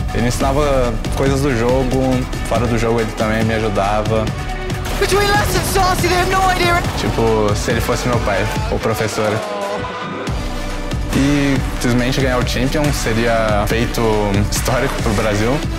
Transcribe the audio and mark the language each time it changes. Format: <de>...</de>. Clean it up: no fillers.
<pt>Ele ensinava coisas do jogo, fora do jogo ele também me ajudava.</pt> <en>Between Les and Saucy, they have no idea.</en> <pt>Tipo, se ele fosse meu pai, ou professor. E simplesmente ganhar o Champion seria feito histórico pro Brasil.</pt>